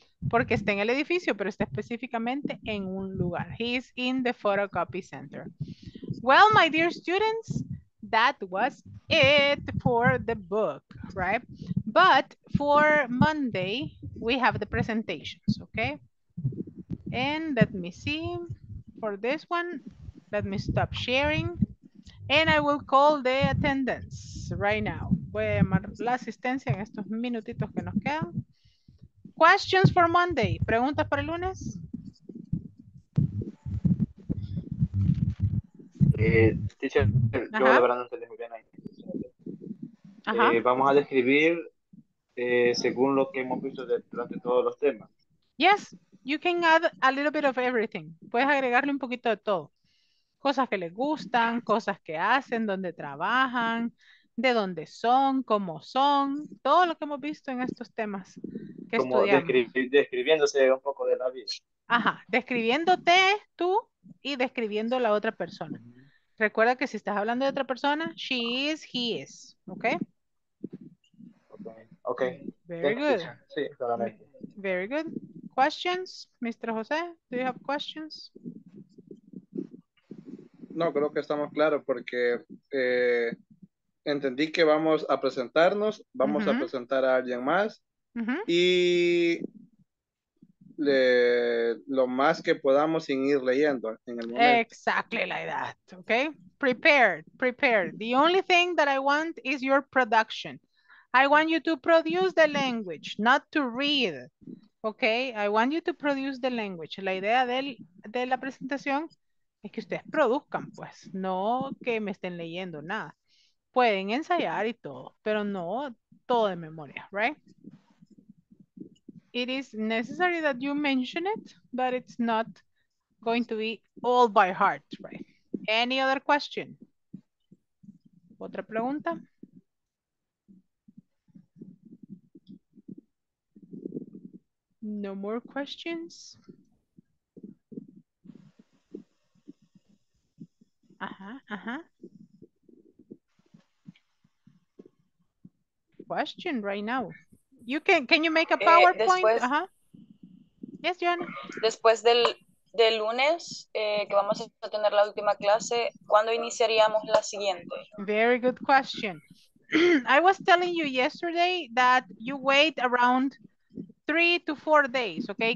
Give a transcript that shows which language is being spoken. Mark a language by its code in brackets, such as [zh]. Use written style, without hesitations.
[es] Porque está en el edificio, pero está específicamente en un lugar. [en] He is in the photocopy center. Well, my dear students, that was it for the book, right? But for Monday, we have the presentations, okay? And let me see for this one. Let me stop sharing. And I will call the attendance right now. [es] Voy a llamar la asistencia en estos minutitos que nos quedan. [en] Questions for Monday. [es] ¿Preguntas para el lunes? Teacher, yo de verdad no se les ve bien ahí. Vamos a describir según lo que hemos visto durante todos los temas. [en] Yes, you can add a little bit of everything. [es] Puedes agregarle un poquito de todo. Cosas que les gustan, cosas que hacen, dónde trabajan, de dónde son, cómo son, todo lo que hemos visto en estos temas que como estudiamos. Describiéndose un poco de la vida. Ajá, describiéndote tú y describiendo la otra persona. Recuerda que si estás hablando de otra persona, [en] she is, he is, [es] ¿ok? [en] Ok. Very good. [es] Sí, claramente. [en] Very good. Questions, Mr. José, do you have questions? [es] No, creo que estamos claros porque entendí que vamos a presentarnos, vamos a presentar a alguien más y lo más que podamos sin ir leyendo en el momento. [en] Exactly like that, okay? Prepared. The only thing that I want is your production. I want you to produce the language, not to read, okay? I want you to produce the language. [es] La idea de la presentación es que ustedes produzcan, pues, no que me estén leyendo nada. Pueden ensayar y todo, pero no todo de memoria, right? [en] It is necessary that you mention it, but it's not going to be all by heart, right? Any other question? [es] ¿Otra pregunta? [en] No more questions? Ajá, ajá. question right now. You can you make a PowerPoint? [es] Después, [en] Yes, Joanna. [es] Después del lunes, que vamos a tener la última clase, ¿cuándo iniciaríamos la siguiente? [en] Very good question. I was telling you yesterday that you wait around 3 to 4 days, okay?